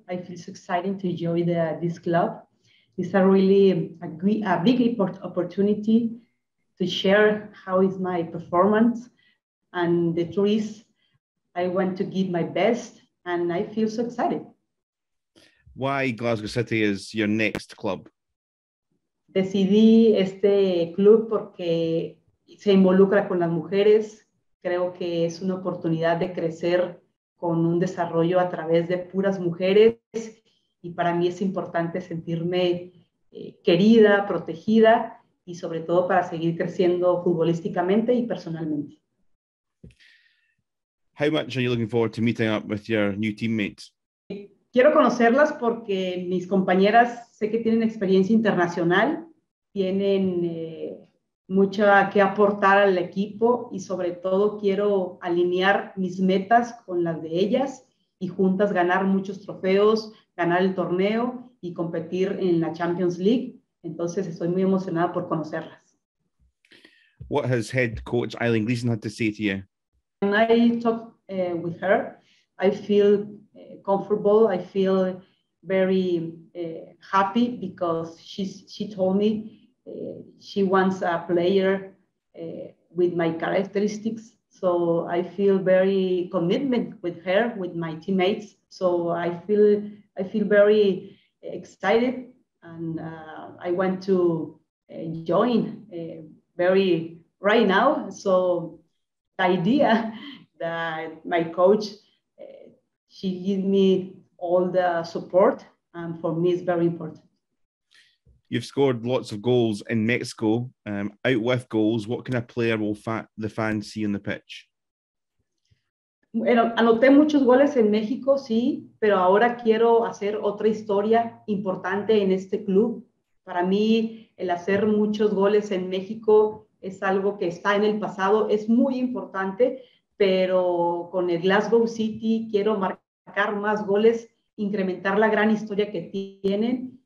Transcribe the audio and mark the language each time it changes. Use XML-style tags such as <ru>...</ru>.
<en>I feel so excited to join this club. It's a big opportunity to share how is my performance. And the truth is, I want to give my best and I feel so excited. Why Glasgow City is your next club?</en> <es>Decidí este club porque se involucra con las mujeres. Creo que es una oportunidad de crecer con un desarrollo a través de puras mujeres. Y para mí es importante sentirme querida, protegida, y sobre todo para seguir creciendo futbolísticamente y personalmente.</es> <en>How much are you looking forward to meeting up with your new teammates?</en> <es>Quiero conocerlas porque mis compañeras sé que tienen experiencia internacional, tienen mucho que aportar al equipo y sobre todo quiero alinear mis metas con las de ellas y juntas ganar muchos trofeos, ganar el torneo y competir en la Champions League. Entonces estoy muy emocionada por conocerlas.</es> <en>What has head coach Eileen Gleeson had to say to you? When I talk with her, I feel comfortable. I feel very happy because she told me she wants a player with my characteristics. So I feel very commitment with her, with my teammates. So I feel very excited, and I want to join very right now. So the idea that my coach, she gave me all the support, and for me it's very important. You've scored lots of goals in Mexico. Out with goals, what kind of player will the fans see on the pitch?</en> <es>Bueno, anoté muchos goles en México, sí, pero ahora quiero hacer otra historia importante en este club. Para mí, el hacer muchos goles en México es algo que está en el pasado, es muy importante, pero con el Glasgow City quiero marcar más goles, incrementar la gran historia que tienen.</es>